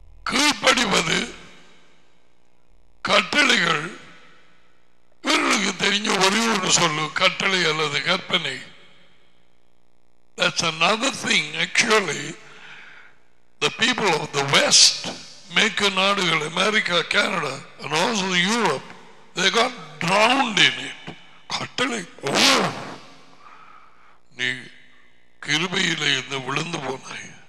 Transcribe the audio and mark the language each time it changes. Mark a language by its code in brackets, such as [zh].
[ta] கீழ்ப்படிவது கட்டளைகள். இவர்களுக்கு தெரிஞ்ச ஒரே ஒன்று சொல்லு, கட்டளை அல்லது கற்பனை. [en] That's another thing. Actually, the people of the West, [ta] மேற்கு நாடுகள், [en] America, Canada, and also Europe, they got drowned in it. [ta] கட்டளை, நீ கிருபையில் இருந்து விழுந்து போனாய்.